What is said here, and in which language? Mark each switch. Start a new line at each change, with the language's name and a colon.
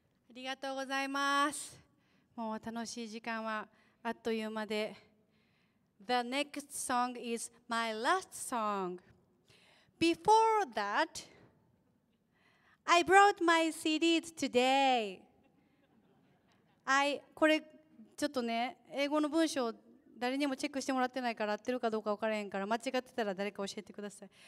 Japanese: ありがとうございます。もう楽しい時間はあっという間で。
English: The next song is my last song. Before that, I brought my CDs today.
Japanese: これちょっとね、英語の文章誰にもチェックしてもらってないから合ってるかどうか分からへんから間違ってたら誰か教えてください。